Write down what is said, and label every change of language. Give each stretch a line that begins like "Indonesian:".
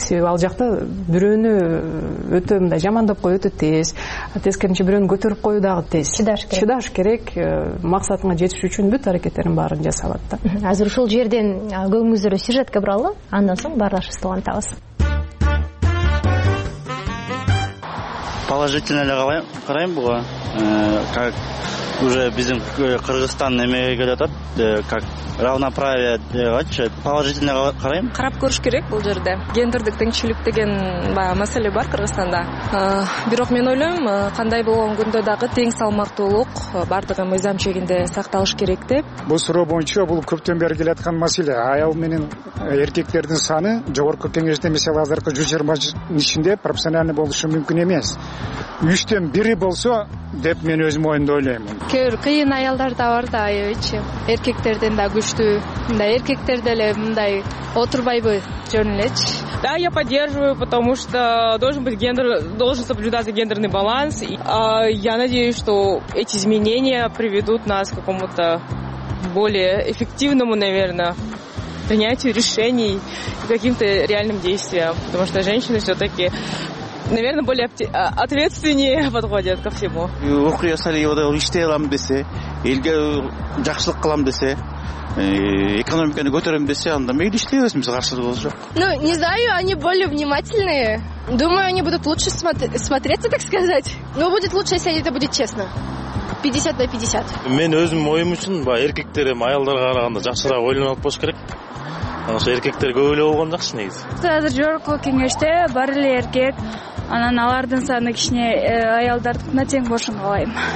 Kyrgyz: Себеби ал жакта бирөөнү өтө мындай жамандап коюу өтө тез, тескерисинче бирөөнү көтөрүп коюу дагы тез. Чыдаш керек. Чыдаш керек, максатыңа жетиш үчүн бүт аракеттердин баарын жасап атат да. Ушул жерден көңүлүңүздөрү сюжетке буралы, андан соң баарлашыбызды улантабыз. Положительно эле карайм буга,
Russian: как уже
Kyrgyz: биздин Кыргызстан эмеге келатат,
Russian: как равноправие
Kyrgyz: дегачы, положительно карайм. Карап көрүш керек бул жерде. Гендердик теңчилик деген баягы маселе бар Кыргызстанда. Бирок мен ойлойм, кандай болгон күндө дагы тең салмактуулук бардыгы мыйзам чегинде сакталыш керек деп. Бул суроо боюнча бул көптөн бери келаткан маселе. Аял менен эркектердин саны жогорку кеңеште мисалы азыркы 120 ичинде пропорциональный болушу мүмкүн эмес. 3тен 1 болсо деп мен өзүм оюмда ойлойм. Кээ бир кыйын аялдар да бар да, аябычы эркектерден да күчтүү. Мындай эркектер деле мындай отурбайбы жөн элечи.
Russian: Да, я поддерживаю, потому что должен соблюдаться гендерный баланс. Я надеюсь, что эти изменения приведут нас к какому-то более эффективному, наверное, принятию решений и каким-то реальным действиям. Потому что женщины все-таки, наверное, более ответственнее подходят ко всему.
Kyrgyz: Окуя салыйда иштеем десе, элге жакшылык кылам десе, экономиканы көтөрөм десе, анда мейли иштейбиз, биз каршылыгыбыз жок.
Russian: Ну, не знаю, они более внимательные. Думаю, они будут лучше смотреться, так сказать. Но будет лучше, если это будет честно. 50-50.
Kyrgyz: Мен өзүм моюм үчүн баягы эркектер эми аялдарга караганда жакшыраак ойлонуп болуш керек. Ошо эркектер көп эле болгон жакшы негизи. Азыр жогорку кеңеште бар эле эркек, анан алардын саны кичине аялдардыкына тең болушун каалайм.